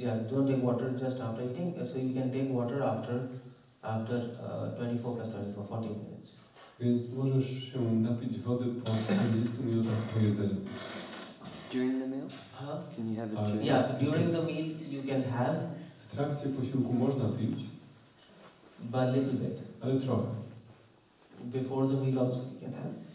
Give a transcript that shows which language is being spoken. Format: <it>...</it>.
<en>Don't take water just after eating. So you can take water after 24 plus 24, 40 minutes.</en> <pl>Więc możesz się napić wody po 40 minutach po jedzeniu.</pl> <en>During the meal? Huh? Can you have it during? Yeah, during the meal you can have.</en> <pl>W trakcie posiłku można pić.</pl> <en>But a little bit.</en> <pl>Ale trochę.</pl> <en>Before the meal also you can have.</en>